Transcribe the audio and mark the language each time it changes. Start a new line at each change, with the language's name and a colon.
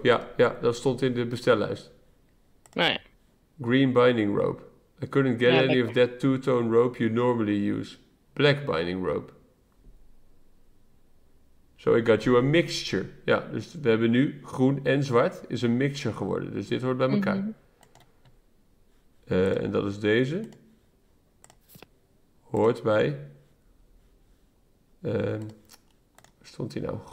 Dutch: Ja, ja, dat stond in de bestellijst. Nee.
English: Green binding rope. I couldn't get any of that two-tone rope you normally use. Black binding rope. So I got you a mixture.
Dutch: Ja, dus we hebben nu groen en zwart is een mixture geworden. Dus dit hoort bij elkaar. En dat is deze. Hoort bij... waar stond hij nou?